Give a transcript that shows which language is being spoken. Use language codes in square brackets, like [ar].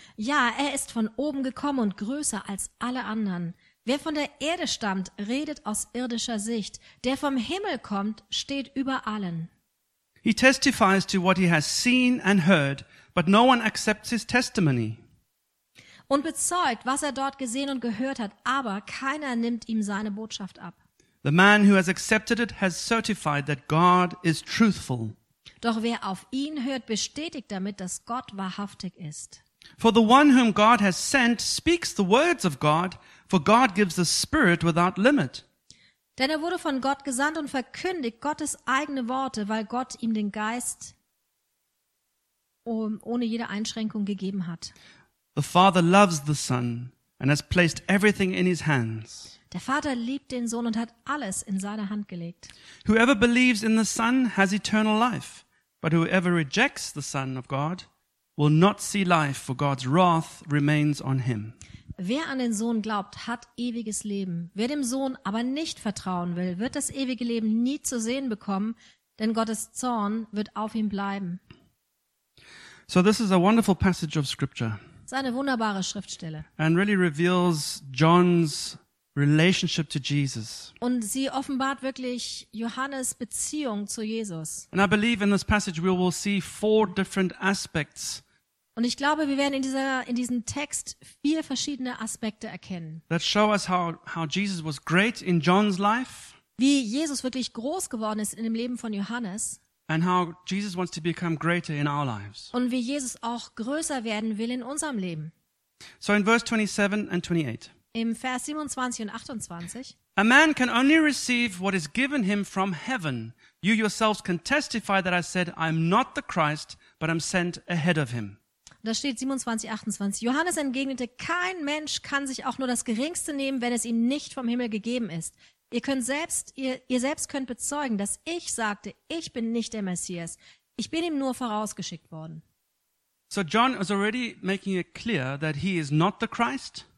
[de] Ja, er ist von oben gekommen und größer als alle anderen. Wer von der Erde stammt, redet aus irdischer Sicht. Der vom Himmel kommt, steht über allen. [en] He testifies to what he has seen and heard, but no one accepts his testimony. [de] Und bezeugt, was er dort gesehen und gehört hat, aber keiner nimmt ihm seine Botschaft ab. [en] The man who has accepted it has certified that God is truthful. [de] Doch wer auf ihn hört, bestätigt damit, dass Gott wahrhaftig ist. [en] For the one whom God has sent speaks the words of God, for God gives the Spirit without limit. [de] Denn er wurde von Gott gesandt und verkündigt Gottes eigene Worte, weil Gott ihm den Geist ohne jede Einschränkung gegeben hat. [en] The Father loves the Son and has placed everything in his hands. [de] Der Vater liebt den Sohn und hat alles in seine Hand gelegt. [en] Whoever believes in the Son has eternal life, but whoever rejects the Son of God will not see life, for God's wrath remains on him. [de] Wer an den Sohn glaubt, hat ewiges Leben. Wer dem Sohn aber nicht vertrauen will, wird das ewige Leben nie zu sehen bekommen, denn Gottes Zorn wird auf ihm bleiben. [en] So this is a wonderful passage of scripture. [de] Das ist eine wunderbare Schriftstelle. [en] And really reveals John's relationship to Jesus. [de] Und sie offenbart wirklich Johannes Beziehung zu Jesus. [en] And I believe in this passage we will see four different aspects. [de] Und ich glaube, wir werden in diesem Text vier verschiedene Aspekte erkennen. [en] That show us how Jesus was great in John's life. [de] Wie Jesus wirklich groß geworden ist in dem Leben von Johannes. [en] And how Jesus wants to become greater in our lives. [de] Und wie Jesus auch größer werden will in unserem Leben. [en] So in verse 27 and 28. [de] Im Vers 27 und 28. [en] A man can only receive what is given him from heaven. You yourselves can testify that I said, I am not the Christ, but I'm sent ahead of him. [de] Da steht 27, 28. Johannes entgegnete, kein Mensch kann sich auch nur das Geringste nehmen, wenn es ihm nicht vom Himmel gegeben ist. Ihr selbst könnt bezeugen, dass ich sagte, ich bin nicht der Messias. Ich bin ihm nur vorausgeschickt worden. [en] So John is already making it clear that he is not the Christ.